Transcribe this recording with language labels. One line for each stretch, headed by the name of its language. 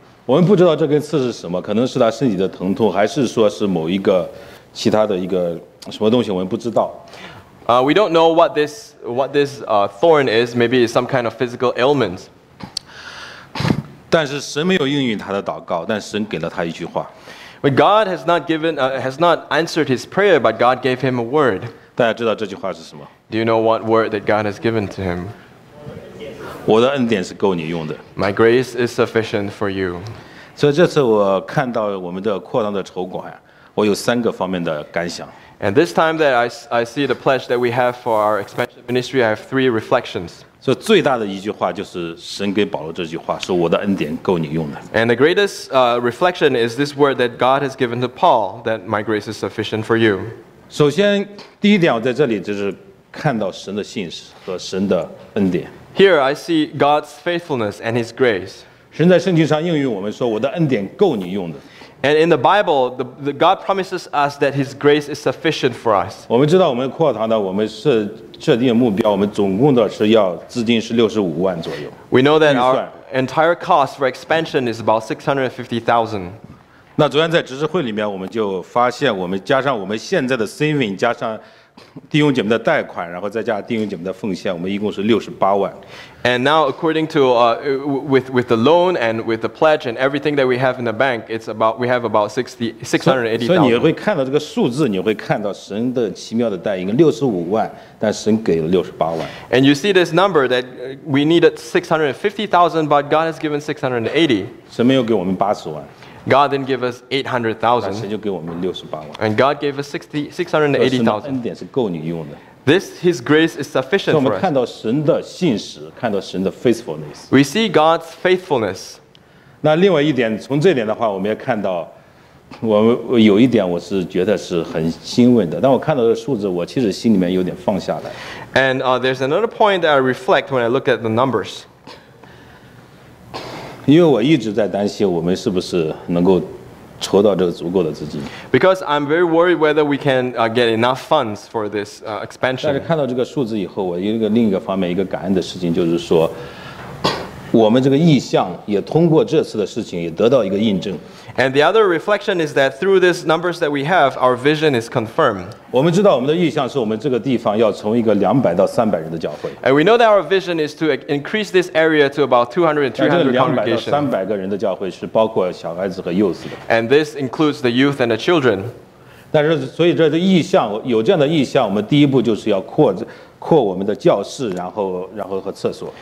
Chinese: 我们不知道这根刺是什么，可能是他身体的疼痛，还是说是某一个其他的一个什么东西，我们不知道。
English: We don't know what this thorn is. Maybe it's some kind of physical ailment.
Chinese: 但是神没有应允他的祷告，但神给了他一句话。
English: But God has not answered his prayer, but God gave him a word.
Chinese: 大家知道这句话是什么？
English: Do you know what word that God has given to him?
Chinese: 我的恩典是够你用的。
English: My grace is sufficient for you.
Chinese: 所以这次我看到我们的扩张的筹款，我有三个方面的感想。
English: And this time that I see the pledge that we have for our expansion ministry, I have three reflections.
Chinese: 所以最大的一句话就是神给保罗这句话，说我的恩典够你用的。
English: And the greatest reflection is this word that God has given to Paul, that my grace is sufficient for you.
Chinese: 首先第一点，我在这里就是看到神的信实和神的恩典。
English: Here I see God's faithfulness and his grace.
Chinese: 神在圣经上应允我们说我的恩典够你用的。
English: And in the Bible, the God promises us that His grace is sufficient for us.
Chinese: 我们知道我们扩堂的，我们是设定目标，我们总共的是要资金是65万左右。
English: We know that our entire cost for expansion is about 650,000.
Chinese: 那昨天在执事会里面，我们就发现，我们加上我们现在的 saving， 加上弟兄姐妹的贷款，然后再加弟兄姐妹的奉献，我们一共是68万。
English: And now, according to with the loan and with the pledge and everything that we have in the bank, we have about 680,000.
Chinese: 所以你会看到这个数字，你会看到神的奇妙的带领，65万，但神给了68万。
English: And you see this number that we needed 650,000, but God has given 680.
Chinese: 神没有给我们80万。
English: God didn't give us 800,000.
Chinese: 神就给我们68万。
English: And God gave us 680,000.
Chinese: 恩典是够你用的。
English: This His grace is sufficient for us.
Chinese: 我们看到神的信实，看到神的 faithfulness.
English: We see God's faithfulness.
Chinese: 那另外一点，从这点的话，我们也看到，我有一点我是觉得是很欣慰的。当我看到这个数字，我其实心里面有点放下来。
English: And there's another point that I reflect when I look at the numbers.
Chinese: 因为我一直在担心我们是不是能够筹到这个足够的资金。
English: Because I'm very worried whether we can get enough funds for this expansion.
Chinese: 但是看到这个数字以后，我有一个另一个方面一个感恩的事情，就是说，我们这个意向也通过这次的事情也得到一个印证。
English: And the other reflection is that through these numbers that we have, our vision is confirmed.
Chinese: 我们知道我们的意向是我们这个地方要从一个200到300人的教会。
English: And we know that our vision is to increase this area to about 200 and 300 congregations.
Chinese: 这200到300个人的教会是包括小孩子和幼子的。
English: And this includes the youth and the children.
Chinese: 但是所以这个意向有这样的意向，我们第一步就是要扩。扩我们的教室，然后和厕所。